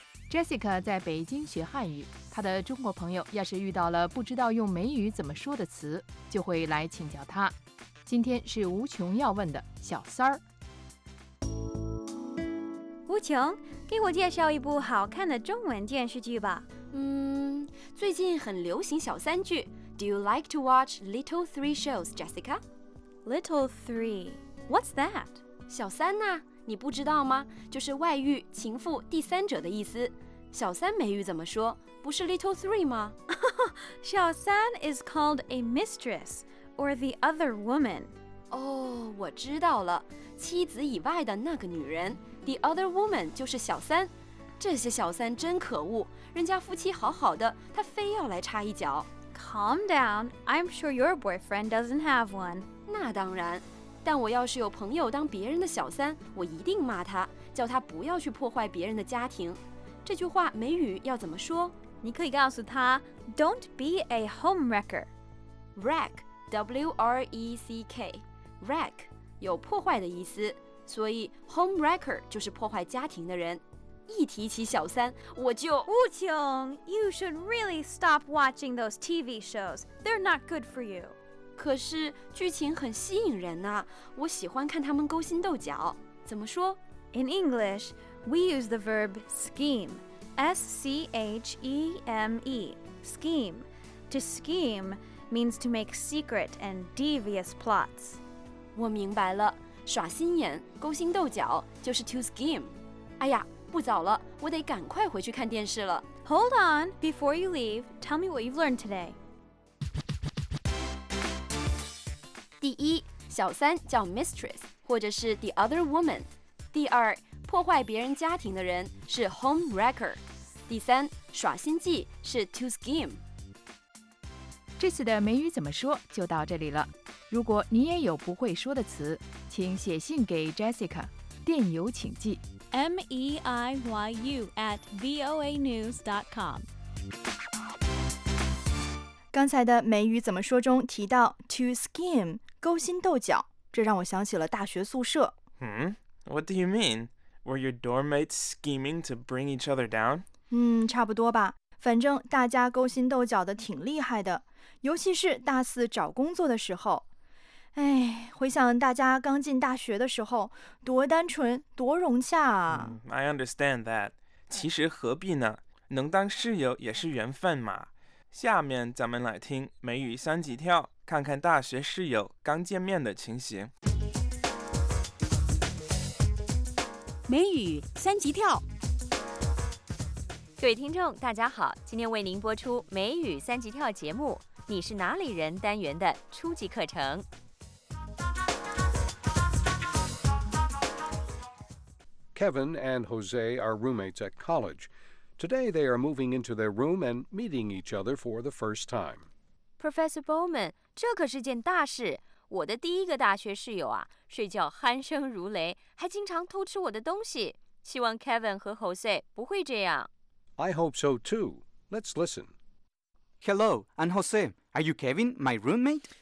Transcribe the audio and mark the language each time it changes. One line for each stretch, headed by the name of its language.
Chinese: Jessica 在北京学汉语，她的中国朋友要是遇到了不知道用美语怎么说的词，就会来请教她。今天是无穷要问的小三儿。无穷，给我介绍一部好看的中文电视剧吧。最近很流行小三剧。
English: Do you like to watch Little Three Shows, Jessica? Little Three, what's that?
Chinese: 小三呐、啊，你不知道吗？就是外遇、情妇、第三者的意思。小三美语怎么说？不是 Little Three 吗？
English: 小三 is called a mistress or the other woman.
Chinese: 哦，我知道了，妻子以外的那个女人 ，
English: the other woman
Chinese: 就是小三。这些小三真可恶，人家夫妻好好的，她非要来插一脚。
English: Calm down, I'm sure your boyfriend doesn't have one.
Chinese: 那当然，但我要是有朋友当别人的小三，我一定骂他，叫他不要去破坏别人的家庭。这句话美语要怎么说？你可以告诉他 ，
English: Don't be a homewrecker.
Chinese: Wreck, W-R-E-C-K, wreck 有破坏的意思，所以 homewrecker 就是破坏家庭的人。一提起小三，我就无穷。
English: You should really stop watching those TV shows. They're not good for you.
Chinese: 可是剧情很吸引人呐、啊，我喜欢看他们勾心斗角。怎么说
English: ？In English, we use the verb scheme, S C H E M E, scheme. To scheme means to make secret and devious plots.
Chinese: 我明白了，耍心眼、勾心斗角就是 to scheme。哎呀，不早了，我得赶快回去看电视了。
English: Hold on, before you leave, tell me what you've learned today.
Chinese: 第一，小三叫 mistress， 或者是
English: the other woman。
Chinese: 第二，破坏别人家庭的人是 homewrecker。第三，耍心计是 to scheme。这次的美语怎么说就到这里了。如果你也有不会说的词，请写信给 Jessica， 电邮请寄
English: meiyu@voanews.com。
Chinese: 刚才的美语怎么说中提到 to scheme 勾心斗角，这让我想起了大学宿舍。
English: What do you mean? Were your dorm mates scheming to bring each other down?
Chinese: 差不多吧。反正大家勾心斗角的挺厉害的，尤其是大四找工作的时候。哎，回想大家刚进大学的时候，多单纯，多融洽啊。
English: I understand that.
Chinese: 其实何必呢？能当室友也是缘分嘛。下面咱们来听美语三级跳，看看大学室友刚见面的情形。美语三级跳，各位听众大家好，今天为您播出美语三级跳节目，你是哪里人单元的初级课程。
English: Kevin and Jose are roommates at college. Today, they are moving into their room and meeting each other for the first time.
Chinese: Professor Bowman, 这可是件大事。我的第一个大学室友啊，睡觉鼾声如雷，还经常偷吃我的东西。希望 Kevin 和 Jose 不会这样。
English: I hope so too. Let's listen. Hello, I'm Jose. Are you Kevin, my roommate?